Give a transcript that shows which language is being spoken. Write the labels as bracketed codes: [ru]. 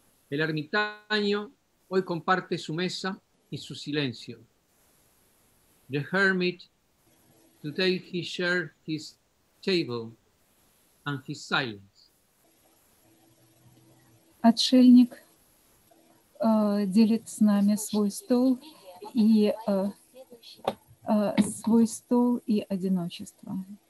[es] El ermitaño hoy comparte su mesa y su silencio. [en] The hermit, today he shared his table and his silence. [ru] Отшельник делит с нами свой стол и одиночество.